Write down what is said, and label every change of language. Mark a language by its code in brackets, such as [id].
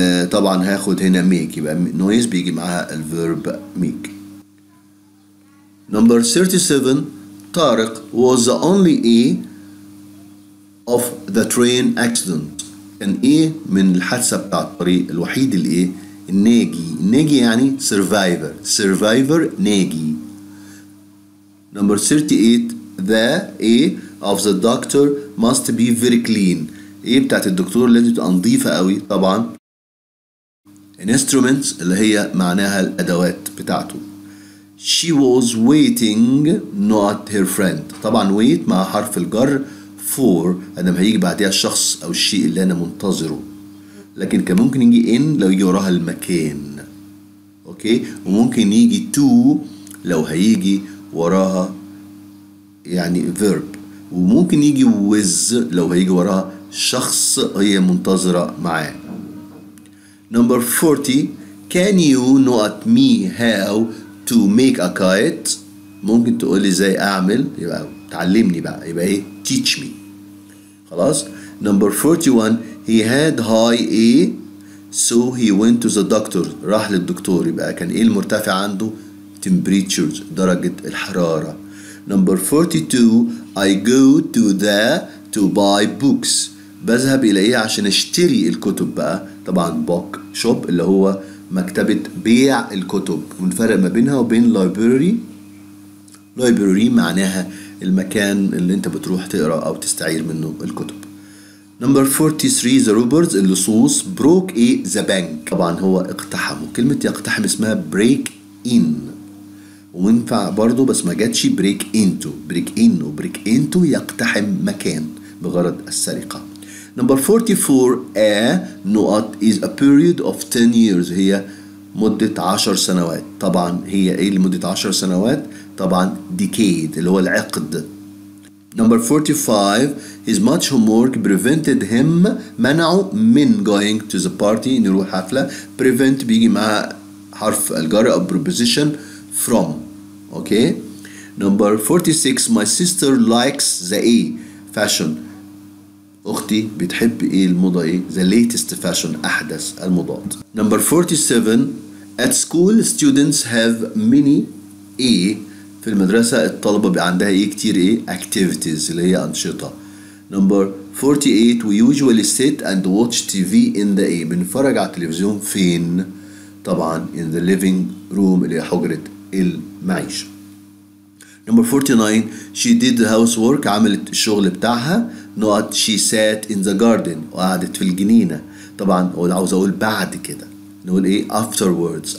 [ar] طبعا هاخد هنا make، يبقى نويز بيجي معها الفيرب make. number 37، طارق [en] was the only A of the train accident. [ar] كان ايه من الحادثة بتاع الطريق الوحيد اللي ايه الناجي. الناجي يعني survivor. Survivor ناجي. [en] Number 38, the A of the doctor must be very clean. [ar] ايه بتاعت الدكتور لازم تبقى نظيفة قوي طبعا. Instruments اللي هي معناها الأدوات بتاعته. [en] She was waiting, not her friend. [ar] طبعا wait مع حرف الجر for لما هيجي بعديها الشخص أو الشيء اللي أنا منتظره. لكن كان ممكن يجي in لو يجي وراها المكان. أوكي؟ وممكن يجي to لو هيجي وراها يعني verb. وممكن يجي with لو هيجي وراها شخص هي منتظرة معاه. [en] Number 40, can you not me how to make a kite? [ar] ممكن تقولي زي اعمل, يبقى تعلمني بقى, يبقى ايه teach me. خلاص. [en] Number 41, he had high A so he went to the doctor. [ar] راح للدكتور. يبقى كان ايه المرتفع عنده؟ temperatures, درجة الحرارة. [en] Number 42, I go to the to buy books. [ar] بذهب الى ايه عشان اشتري الكتب بقى. طبعا book shop اللي هو مكتبة بيع الكتب. والفرق ما بينها وبين library. library معناها المكان اللي انت بتروح تقرأ او تستعير منه الكتب. [en] Number 43, the robbers, [ar] اللصوص, [en] broke the bank. [ar] طبعا هو اقتحم. وكلمة يقتحم اسمها break in. وينفع برضو بس ما جاتش break into. break in و break into يقتحم مكان بغرض السرقة. [en] Number 44, a not is a period of 10 years. [ar] هي مدة 10 سنوات. طبعا هي ايه لمدة 10 سنوات؟ طبعا decade اللي هو العقد. [en] Number 45, his much homework prevented him, [ar] منعه من [en] going to the party, [ar] نروح حفلة. prevent بيجي مع حرف الجر أو preposition from. [en] okay. Number 46, my sister likes the fashion. [ar] أختي بتحب إيه الموضة إيه؟ [en] The latest fashion, [ar] أحدث الموضات. [en] Number 47, at school students have many A. [ar] في المدرسة الطلبة عندها إيه كتير إيه؟ activities اللي هي أنشطة. [en] Number 48, we usually sit and watch TV in the A. [ar] بنفرج على التلفزيون فين؟ طبعا [en] in the living room [ar] اللي هي حجرة المعيشة. [en] Number 49, she did the housework, [ar] عملت الشغل بتاعها. [en] Not she sat in the garden, [ar] وقعدت في الجنينة. طبعا عاوز اقول بعد كده, نقول ايه afterwards.